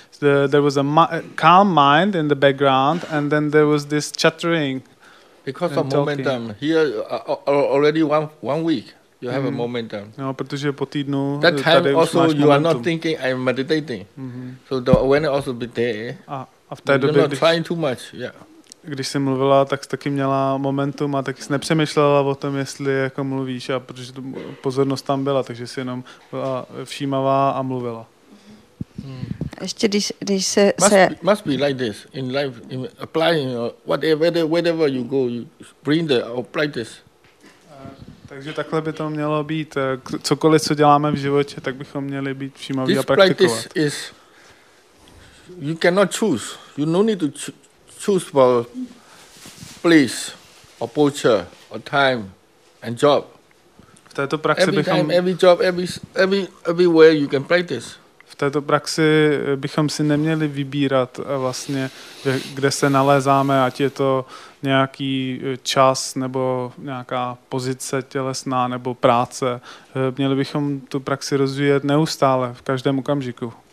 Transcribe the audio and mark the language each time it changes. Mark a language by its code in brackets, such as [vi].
[en] There was a calm mind in the background, and then there was this chattering because of talking. Momentum here already one week you have a momentum. [cs] No, protože po týdnu [en] that time [cs] tady [en] also you are not thinking I'm meditating. Mm-hmm. So the awareness also be there. After you're not trying too much. Yeah. [cs] když jsi mluvila, tak jsi taky měla momentum a taky jsi nepřemýšlela o tom, jestli jako mluvíš, a protože pozornost tam byla, takže jsi jenom byla všímavá a mluvila. Ještě když se [en] must be like this in life, in applying whatever you go, you bring the apply this. [cs] Takže takhle by to mělo být. Cokoliv, co děláme v životě, tak bychom měli být všímaví a praktikovat. [en] This practice is you cannot choose. You no need to choose for place, or culture, or time, and job. [cs] V této praxi [en] every [cs] bychom [en] every time, every job, everywhere you can practice. [cs] V této praxi bychom si neměli vybírat vlastně, kde se nalézáme, ať je to nějaký čas nebo nějaká pozice tělesná nebo práce. Měli bychom tu praxi rozvíjet neustále, v každém okamžiku.